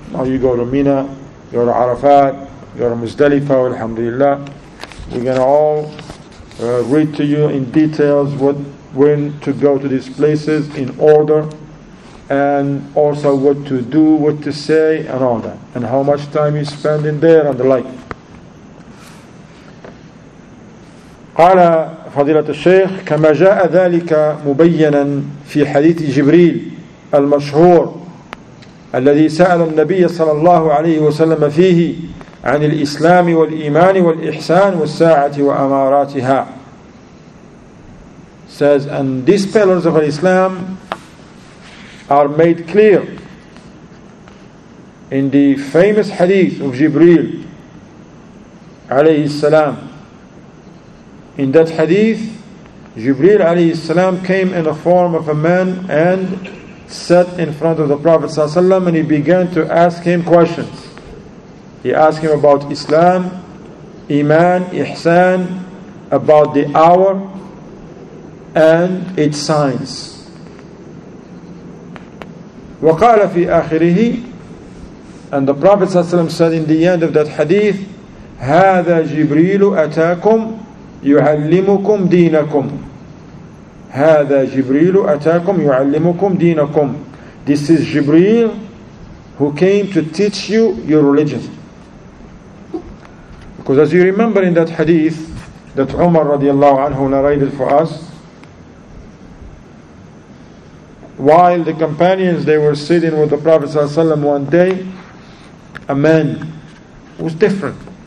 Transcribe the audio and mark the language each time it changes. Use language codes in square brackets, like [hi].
[en] Now you go to Mina, you go to Arafat, you go to Muzdalifa, alhamdulillah. We're going to all read to you in details what, when to go to these places in order, and also what to do, what to say, and all that, and how much time you spend in there and the like. [ar] قال فضيلة الشيخ كما جاء ذلك مبينا في حديث جبريل المشهور الذي سأل النبي صلى الله عليه وسلم فيه عن الإسلام والإيمان والإحسان والساعة وأماراتها. [en] Says, and these pillars of Islam are made clear in the famous hadith of Jibreel عليه السلام. In that hadith, Jibreel عليه السلام came in the form of a man and sat in front of the Prophet صلى الله عليه وسلم, and he began to ask him questions. He asked him about Islam, Iman, Ihsan, about the hour and its signs. [ar] وقال في آخره, [en] and the Prophet صلى الله عليه وسلم said in the end of that hadith, [ar] هذا جبريل أتاكم يعلمكم دينكم. هذا جبريل أتاكم يعلمكم دينكم. [en] This is Jibreel who came to teach you your religion. Because as you remember in that hadith that Umar radiallahu anhu narrated for us, while the companions, they were sitting with the Prophet ﷺ one day, a man was different.